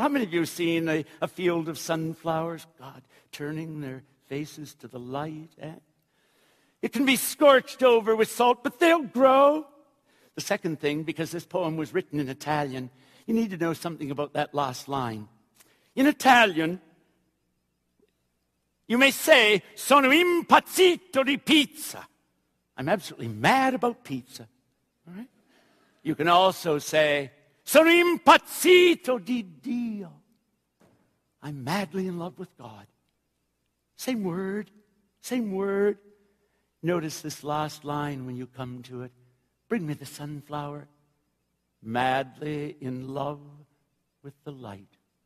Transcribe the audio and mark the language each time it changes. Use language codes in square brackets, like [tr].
[en] How many of you have seen a field of sunflowers? God, turning their faces to the light. It can be scorched over with salt, but they'll grow. The second thing, because this poem was written in Italian, you need to know something about that last line. In Italian, you may say, [it] sono impazzito di pizza. [en] I'm absolutely mad about pizza. All right? You can also say, [it] sono impazzito di Dio. [en] I'm madly in love with God. Same word, same word. Notice this last line when you come to it. Bring me the sunflower. Madly in love with the light.